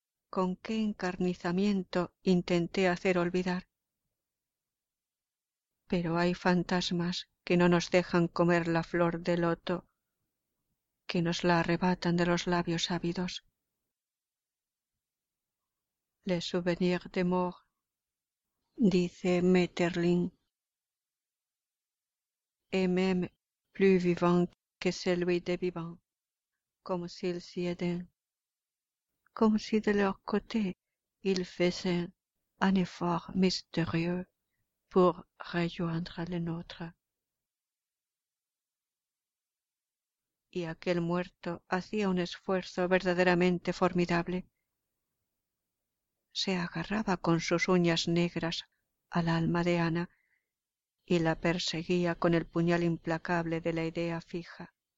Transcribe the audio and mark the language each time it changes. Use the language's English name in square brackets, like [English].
[Spanish] ¿Con qué encarnizamiento intenté hacer olvidar? Pero hay fantasmas que no nos dejan comer la flor de loto, que nos la arrebatan de los labios ávidos. [French] Le souvenir de mort, [Spanish] dice [French] Maeterlinck, est même plus vivant que celui des vivants, comme s'ils s'y aidaient, comme si de leur côté ils faisaient un effort mystérieux pour rejoindre le nôtre. [Spanish] Y aquel muerto hacía un esfuerzo verdaderamente formidable. Se agarraba con sus uñas negras al alma de Ana y la perseguía con el puñal implacable de la idea fija.